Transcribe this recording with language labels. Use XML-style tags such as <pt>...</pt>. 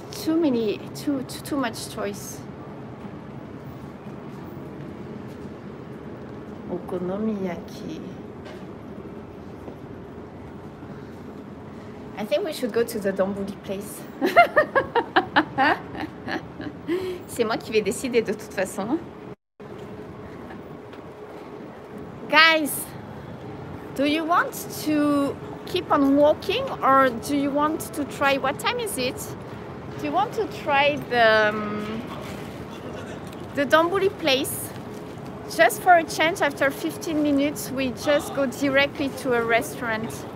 <en>Too much choice. Okonomiyaki. I think we should go to the Donburi place.</en> <fr>C'est moi qui vais décider de toute façon.</fr> <en>Guys, do you want to keep on walking or do you want to try, what time is it? Do you want to try the Donburi place? Just for a change, after 15 minutes, we just go directly to a restaurant.</en>